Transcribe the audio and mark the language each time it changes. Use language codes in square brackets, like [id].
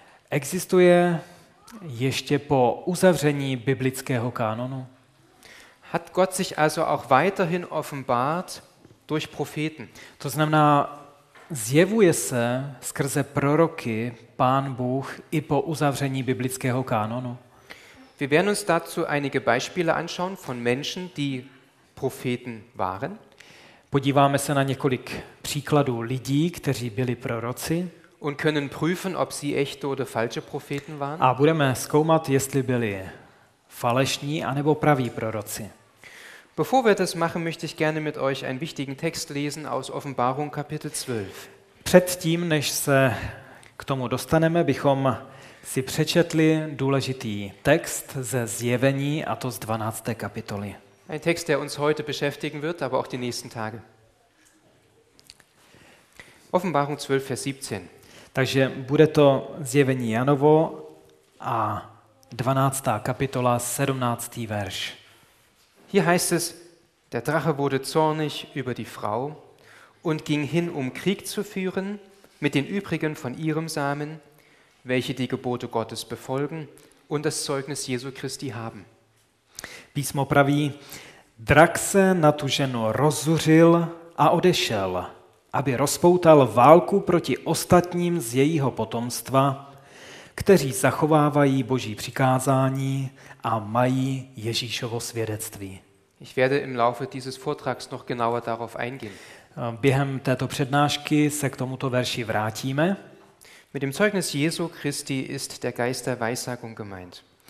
[cs] Existuje ještě po uzavření biblického kanonu? [de] Hat Gott sich also auch weiterhin offenbart durch Propheten? [cs] To znamená, zjevuje se skrze proroky Pán Bůh i po uzavření biblického kanonu? [de] Wir werden uns dazu einige Beispiele anschauen von Menschen, die Propheten waren. [cs] Podíváme se na několik příkladů lidí, kteří byli proroci. [de] Und können prüfen, ob sie echte oder falsche Propheten waren. [cs] A budeme zkoumat, jestli byli falešní anebo praví proroci. [de] Bevor wir das machen, möchte ich gerne mit euch einen wichtigen Text lesen aus Offenbarung Kapitel 12. [cs] Předtím, než se k tomu dostaneme, bychom si přečetli důležitý text ze Zjevení, a to z 12. kapitoly. [de] Ein Text, der uns heute beschäftigen wird, aber auch die nächsten Tage. Offenbarung 12, Vers 17. [cs] Takže bude to Zjevení Janovo a 12. Kapitola, 17. verš. [de] Hier heißt es, der Drache wurde zornig über die Frau und ging hin, um Krieg zu führen mit den übrigen von ihrem Samen, welche die Gebote Gottes befolgen und das Zeugnis Jesu Christi haben. [cs] Písmo praví, drak se na tu ženu rozzuřil a odešel, aby rozpoutal válku proti ostatním z jejího potomstva, kteří zachovávají Boží přikázání a mají Ježíšovo svědectví. [de] Ich werde im Laufe dieses Vortrags noch genauer darauf eingehen. [cs] Během této přednášky se k tomuto verši vrátíme. [de] Mit dem Zeugnis Jesu Christi ist der Geist der Weissagung gemeint.